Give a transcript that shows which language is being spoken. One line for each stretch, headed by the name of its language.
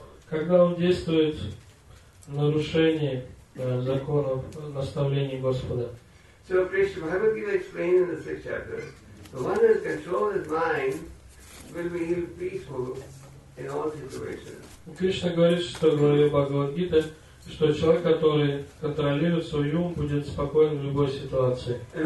Russian: Когда он действует в нарушении законов наставлений Господа.
English: So Krishna, Bhagavad-gita explained in the sixth chapter, the one who has controlled his mind will be peaceful in all situations.
Russian: Кришна говорит, что говорил Бхагавад-гита, что человек, который контролирует свой ум, будет спокоен в любой ситуации.